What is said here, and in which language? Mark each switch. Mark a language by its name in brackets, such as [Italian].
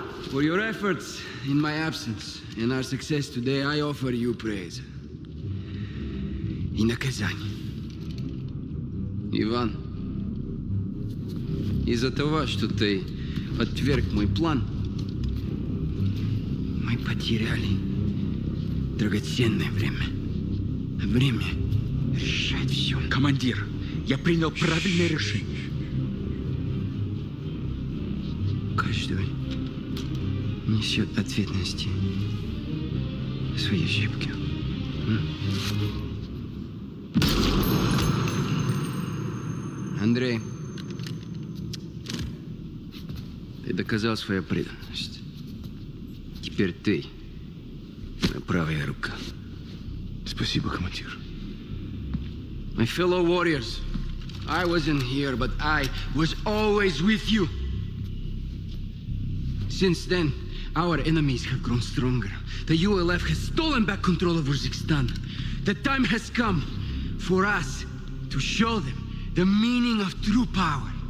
[English] For your efforts in my absence and our success today, I offer you praise. In a Kazani. [Russian] Иван, из-за того, что ты отверг мой план, мы потеряли драгоценное время. Время решать все. Командир, я принял правильное решение. Каждый несет ответственности свои ошибки. Андрей, ты доказал свою преданность. Теперь ты моя правая рука. Спасибо, командир. [English] My fellow warriors, I wasn't here, but I was always with you. Since then, our enemies have grown stronger. The ULF has stolen back control of Uzbekistan. The time has come for us to show them the meaning of true power.